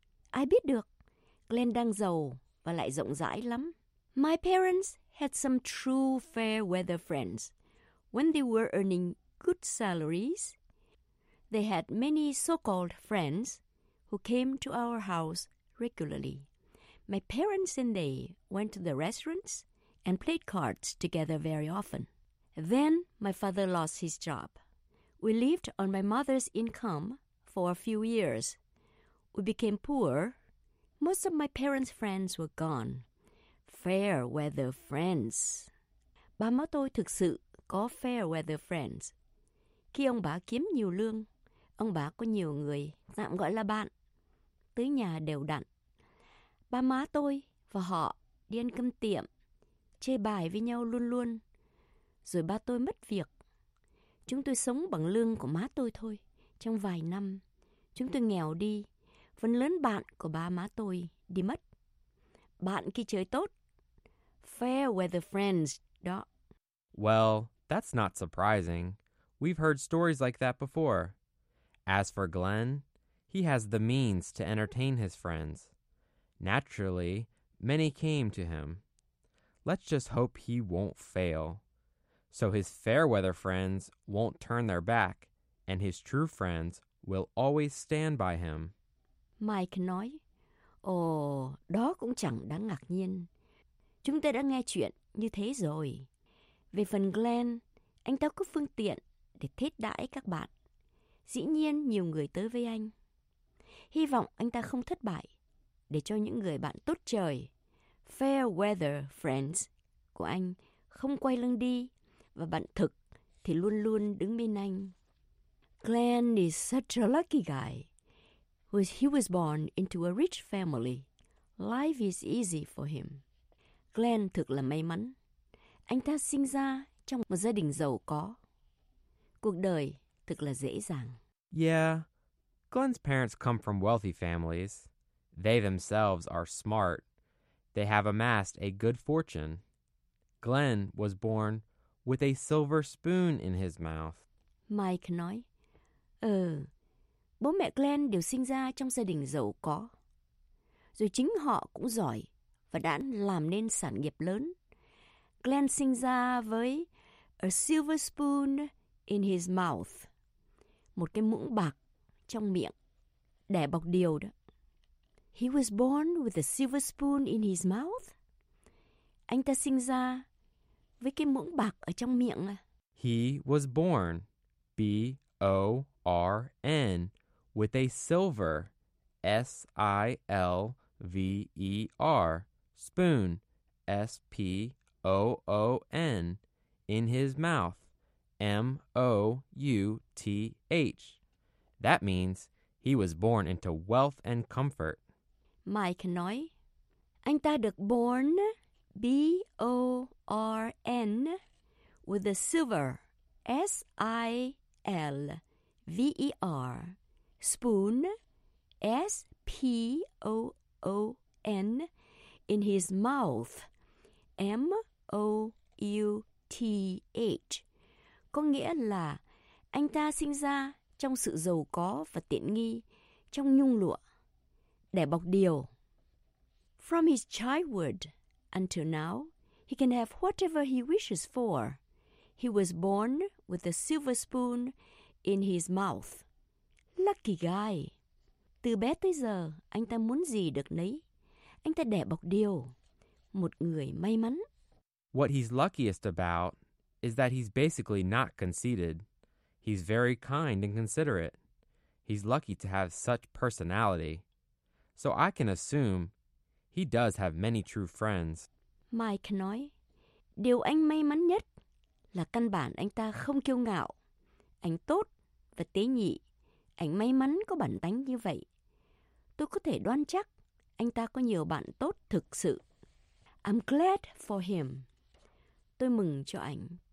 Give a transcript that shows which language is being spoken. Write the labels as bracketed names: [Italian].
[Vietnamese] Ai biết được, Glenn đang giàu và lại rộng rãi lắm. [English] My parents had some true fair weather friends. When they were earning good salaries, they had many so-called friends who came to our house regularly. My parents and they went to the restaurants and played cards together very often. Then my father lost his job. We lived on my mother's income for a few years. We became poor. Most of my parents' friends were gone. [Vietnamese] Fair weather friends. Ba má tôi thực sự có fair weather friends. Khi ông bà kiếm nhiều lương, ông bà có nhiều người, tạm gọi là bạn, tới nhà đều đặn. Ba má tôi và họ đi ăn cơm tiệm, chơi bài với nhau luôn luôn. Rồi ba tôi mất việc. Chúng tôi sống bằng lương của má tôi thôi. Trong vài năm, chúng tôi nghèo đi. Phần lớn bạn của ba má tôi đi mất. Bạn khi chơi tốt. Fair weather friends, đó. [English] Well, that's not surprising. We've heard stories like that before. As for Glenn, he has the means to entertain his friends. Naturally, many came to him. Let's just hope he won't fail. So his fair weather friends won't turn their back, and his true friends will always stand by him. [Vietnamese] Mike nói, ồ, đó cũng chẳng đáng ngạc nhiên. Chúng ta đã nghe chuyện như thế rồi. Về phần Glenn, anh ta có phương tiện để thiết đãi các bạn. Dĩ nhiên nhiều người tới với anh. Hy vọng anh ta không thất bại để cho những người bạn tốt trời, fair weather friends của anh không quay lưng đi và bạn thực thì luôn luôn đứng bên anh. [English] Glenn is such a lucky guy. He was born into a rich family. Life is easy for him. [Vietnamese] Glenn thực là may mắn. Anh ta sinh ra trong một gia đình giàu có. Cuộc đời thực là dễ dàng. [English] Yeah, Glenn's parents come from wealthy families. They themselves are smart. They have amassed a good fortune. Glenn was born with a silver spoon in his mouth. [Vietnamese] Mike nói, bố mẹ Glenn đều sinh ra trong gia đình giàu có. Rồi chính họ cũng giỏi và đã làm nên sản nghiệp lớn. [English] Glenn [Vietnamese] sinh ra với [English] a silver spoon in his mouth. [Vietnamese] Một cái muỗng bạc trong miệng, đẻ bọc điều đó. [English] He was born with a silver spoon in his mouth. [Vietnamese] Anh ta sinh ra với cái muỗng bạc ở trong miệng. [English] He was born, B-O-R-N, with a silver, S-I-L-V-E-R, spoon, S-P-O-O-N, in his mouth, M-O-U-T-H. That means he was born into wealth and comfort. [Vietnamese] Mike nói, anh ta được [English] born, B-O-R-N, with a silver, S-I-L-V-E-R, spoon, S-P-O-O-N, in his mouth, M-O-U-T-H. [Vietnamese] Có nghĩa là anh ta sinh ra trong sự giàu có và tiện nghi, trong nhung lụa. Để bọc điều. [English] From his childhood until now, he can have whatever he wishes for. He was born with a silver spoon in his mouth. Lucky guy. [Vietnamese] Từ bé tới giờ, anh ta muốn gì được nấy. Anh ta để bọc điều. Một người may mắn. [English] What he's luckiest about is that he's basically not conceited. He's very kind and considerate. He's lucky to have such personality. So I can assume he does have many true friends. [Vietnamese] Mike nói, điều anh may mắn nhất là căn bản anh ta không kiêu ngạo. Anh tốt và tế nhị. Anh may mắn có bản tánh như vậy. Tôi có thể đoán chắc anh ta có nhiều bạn tốt thực sự. [English] I'm glad for him. [Vietnamese] Tôi mừng cho anh.